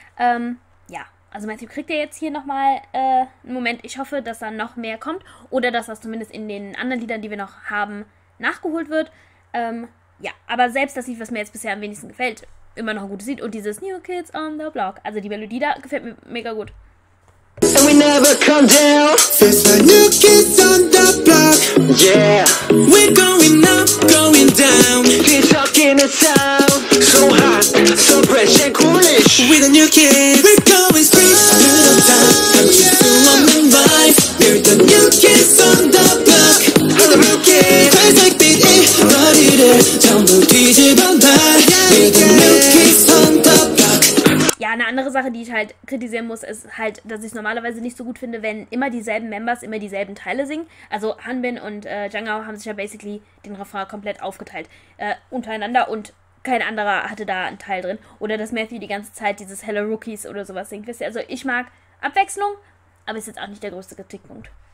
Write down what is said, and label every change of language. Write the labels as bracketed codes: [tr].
[de] Ja, also Matthew kriegt ja jetzt hier nochmal einen Moment. Ich hoffe, dass da noch mehr kommt oder dass das zumindest in den anderen Liedern, die wir noch haben, nachgeholt wird. Ja, aber selbst das Lied, was mir jetzt bisher am wenigsten gefällt, immer noch ein gutes Lied. Und dieses New Kids on the Block, also die Melodie da, gefällt mir mega gut. [en] And we never come down. There's the new kids on the block. Yeah. We're going up, going down. Keep talking the sound. So hot, so fresh and coolish. We're the new kids. We're going straight to the top. Don't you still want the vibe? We're the new kids on the block. We're the real kids. Fans like beat it, but it is. [ko] 전부 뒤집어 놔. [en] We're the new kids on the block. [de] Ja, eine andere Sache, die ich halt kritisieren muss, ist halt, dass ich es normalerweise nicht so gut finde, wenn immer dieselben Members immer dieselben Teile singen. Also Hanbin und Jungho haben sich ja basically den Refrain komplett aufgeteilt untereinander und kein anderer hatte da einen Teil drin. Oder dass Matthew die ganze Zeit dieses Hello Rookies oder sowas singt. Wisst ihr? Also ich mag Abwechslung, aber ist jetzt auch nicht der größte Kritikpunkt.